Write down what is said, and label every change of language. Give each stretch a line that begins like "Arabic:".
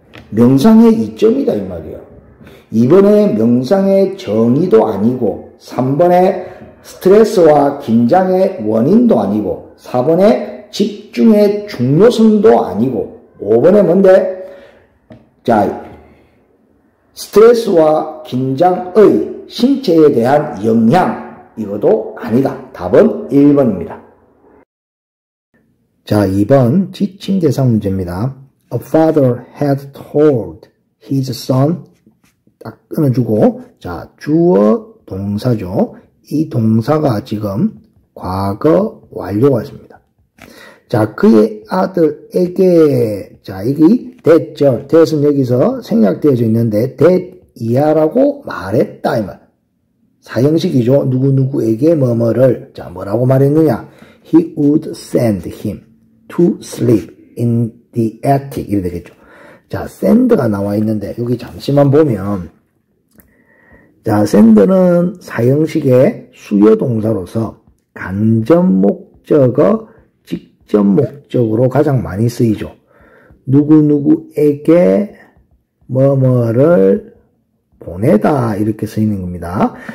Korean: 명상의 이점이다 이 말이에요. 2번의 명상의 정의도 아니고 3번의 스트레스와 긴장의 원인도 아니고 4번의 집중의 중요성도 아니고 5번의 뭔데? 자, 스트레스와 긴장의 신체에 대한 영향 이것도 아니다. 답은 1번입니다. 자, 2번 지침 대상 문제입니다.
English: A father had told his son
Korean: 딱 끊어주고 자 주어 동사죠. 이 동사가 지금 과거 완료가 있습니다. 자 그의 아들에게 자 이게 that죠. that은 여기서 생략되어져 있는데 that 이하라고 말했다 이 말. 사형식이죠. 누구누구에게 뭐뭐를 자 뭐라고 말했느냐
English: he would send him to sleep in the attic
Korean: 이래 되겠죠. 자 send가 나와 있는데 여기 잠시만 보면 자 send는 사형식의 수여동사로서 간접목적어 직접목적으로 가장 많이 쓰이죠. 누구누구에게 뭐뭐를 보내다 이렇게 쓰이는 겁니다.